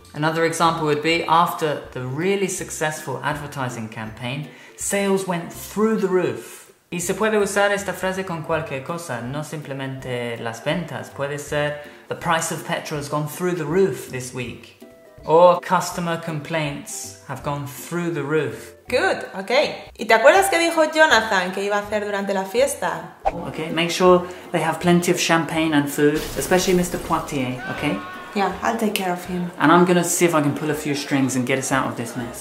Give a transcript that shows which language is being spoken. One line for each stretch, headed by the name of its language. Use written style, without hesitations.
English: Another example would be, after the really successful advertising campaign, sales went through the roof.
Spanish: Y se puede usar esta frase con cualquier cosa, no simplemente las ventas. Puede ser,
English: the price of petrol has gone through the roof this week. Or, customer complaints have gone through the roof. Good, okay.
Spanish: ¿Y te acuerdas qué dijo Jonathan que iba a hacer durante la fiesta?
English: Okay, make sure they have plenty of champagne and food, especially Mr. Poitier, okay? Yeah, I'll take care of him. And I'm gonna see if I can pull a few strings and get us out of this mess.